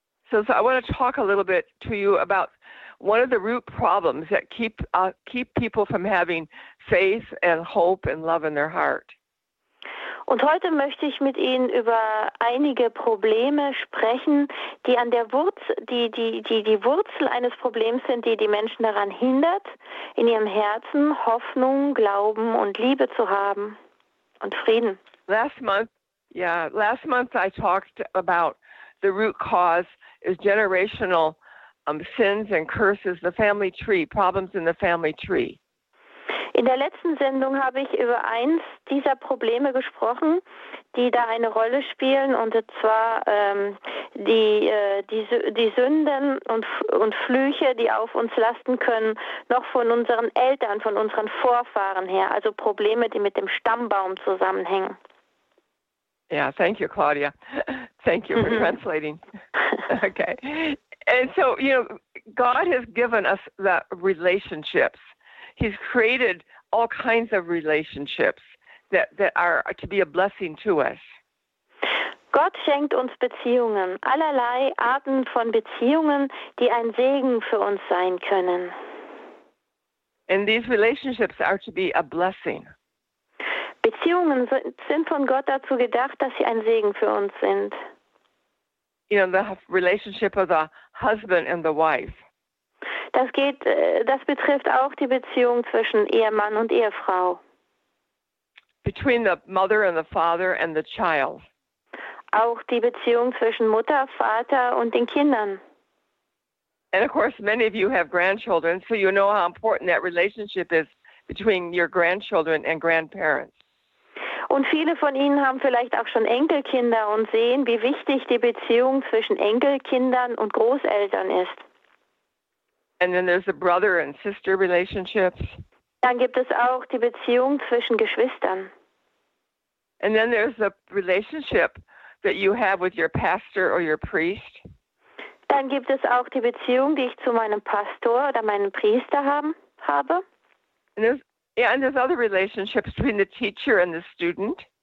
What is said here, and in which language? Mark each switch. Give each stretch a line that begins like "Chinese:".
English: So I want to talk a little bit to you about one of the root problems that keep people from having faith and hope and love in their heart.
German: Und heute möchte ich mit Ihnen über einige Probleme sprechen, die an der Wurzel, die Wurzel eines Problems sind, die Menschen daran hindert, in ihrem Herzen Hoffnung, Glauben und Liebe zu haben und Frieden.
English: Last month I talked about the root cause is generational sins and curses, the family tree, problems in the family tree.
German: In der letzten Sendung habe ich über eins dieser Probleme gesprochen, die da eine Rolle spielen, und zwar die Sünden und Flüche, die auf uns lasten können, noch von unseren Eltern, von unseren Vorfahren her, also Probleme, die mit dem Stammbaum zusammenhängen.
English: Yeah, thank you, Claudia. Thank you for translating. Okay. And so, you know, God has given us the relationships. He's created all kinds of relationships that are to be a blessing to us.
German: Gott schenkt uns Beziehungen, allerlei Arten von Beziehungen, die ein Segen für uns sein können.
English: And these relationships are to be a blessing.
German: Beziehungen sind von Gott dazu gedacht, dass sie ein Segen für uns sind.
English: You know, the relationship of the husband and the wife.
German: Das betrifft auch die Beziehung zwischen Ehemann und Ehefrau.
English: Between the mother and the father and the child.
German: Auch die Beziehung zwischen Mutter, Vater und den Kindern.
English: And of course, many of you have grandchildren, so you know how important that relationship is between your grandchildren and grandparents.
German: Und viele von Ihnen haben vielleicht auch schon Enkelkinder und sehen, wie wichtig die Beziehung zwischen Enkelkindern und Großeltern ist.
English: And then there's the brother and sister relationships.
German: Dann gibt es auch die Beziehung zwischen Geschwistern.
English: And then there's the relationship that you have with your pastor or your priest.
German: Dann gibt es auch die Beziehung, die ich zu meinem Pastor oder meinem Priester habe.
English: And there's other relationships between the teacher and the student.